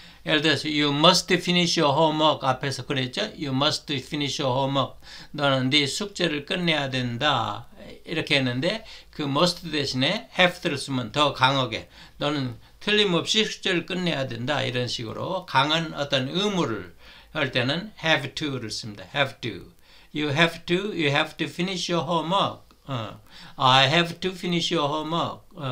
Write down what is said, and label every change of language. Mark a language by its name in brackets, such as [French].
[Korean] 예를 들어서 [English] you must finish your homework [Korean] 앞에서 그랬죠? [English] you must finish your homework. [Korean] 너는 네 숙제를 끝내야 된다. 이렇게 했는데 그 must 대신에 have를 쓰면 더 강하게 너는 틀림없이 숙제를 끝내야 된다. 이런 식으로 강한 어떤 의무를 할 때는 have to를 씁니다. [English] have to. you have to finish your homework. I have to finish your homework.